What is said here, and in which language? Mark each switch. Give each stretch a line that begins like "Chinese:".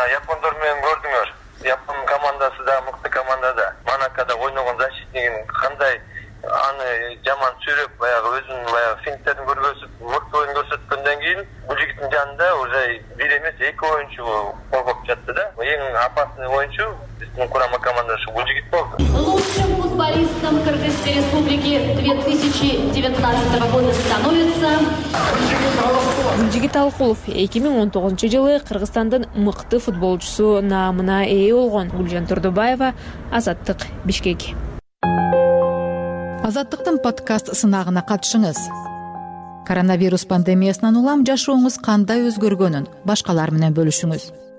Kyrgyz: Япондор менен көрдүңөр. Япон командасы да мыкты команда да. Манакада ойногон защитнигин кандай аны жаман сүйрөп, баягы өзүн баягы финттерин көргөзүп, мыкты оюн көрсөткөндөн кийин Гүлжигиттин жанында уже бир эмес 2 оюнчу коргоп жатты да. Эң опасный оюнчу биздин курама командасы Гүлжигит болду.
Russian: Футболистом Кыргызской Республики 2019 года становится...
Kyrgyz: Гүлжигит Алыкулов 2019 жылы Кыргызстандын мыкты футболчусу наамына ээ болгон. Гүлжан Турдубаева, Азаттык, Бишкек. Азаттыктын подкаст сынагына катышыңыз. Коронавирус пандемиясынан улам жашооңуз кандай өзгөргөнүн башкалар менен бөлүшүңүз.